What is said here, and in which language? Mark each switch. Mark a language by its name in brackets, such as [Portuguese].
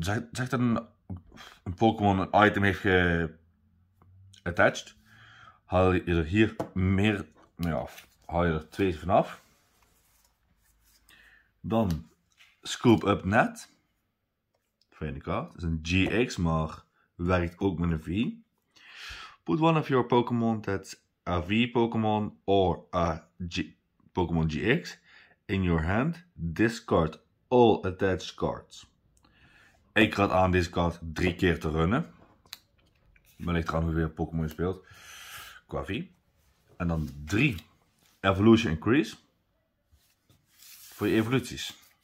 [Dutch] Zegt dat een Pokémon een item heeft attached. Haal je er hier meer. Haal je er 2 vanaf. Dan Scoop Up Net. Vreemde kaart. Dat is een GX, maar werkt ook met een V. [English] Put one of your Pokémon that's a V Pokémon or a Pokémon GX in your hand. Discard all attached cards. [Dutch] Ik raad aan deze kaart 3 keer te runnen. Wellicht gaan we weer Pokémon speelt. Qua V. En dan 3. Evolution Increase. Voor je evoluties.